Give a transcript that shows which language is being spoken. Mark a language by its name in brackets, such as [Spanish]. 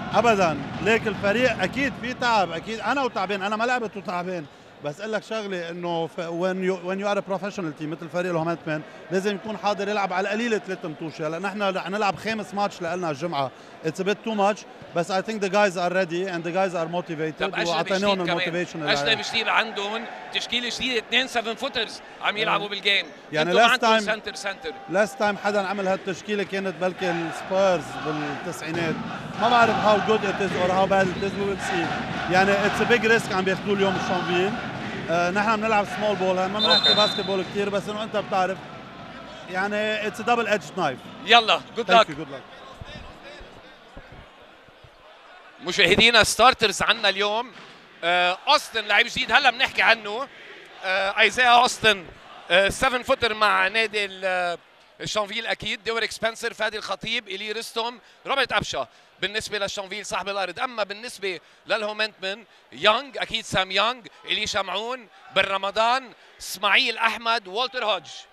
[Arabic] ابدا، ليك الفريق اكيد في تعب، اكيد انا وتعبان، انا ما لعبت وتعبان، بس اقول لك شغله، انه [English] when you are professional team [Arabic] مثل فريق الهومنتمن لازم يكون حاضر يلعب على القليله ثلاث مطوشه، هلا نحن رح نلعب خامس ماتش لنا الجمعه، [English] it's bit too much, [Arabic] بس [English] I think the guys are ready and the guys are motivated, [Arabic] واعطيناهم الموتيفيشن. اجنبي جديد عندهم تشكيله جديده، اثنين 7 فوترز عم يلعبوا بالجيم، [English] يعني last time center last time [Arabic] حدا عمل هالتشكيله كانت بلكي السبيرز بالتسعينات، ما بعرف [English] how good it is or how bad it is, we will see. [Arabic] يعني [English] it's a big risk [Arabic] عم بياخذوه اليوم الشامبيين. نحن بنلعب سمول بول، ما بنحكي باسكت بول كثير، بس انه انت بتعرف يعني [English] it's a double edged knife. يلا good luck. Good luck. [Arabic] مشاهدينا ستارترز عندنا اليوم أوستن لاعب جديد هلا بنحكي عنه، ايزايا أوستن 7 فوتر مع نادي الشانفيل اكيد، ديريك سبنسر، فادي الخطيب، إلي ريستوم، روبرت أبشا بالنسبه للشانفيل صاحب الارض، اما بالنسبه للهومنتمن يونغ اكيد سام يونغ، إلي شمعون، بن رمضان، اسماعيل احمد، والتر هودج.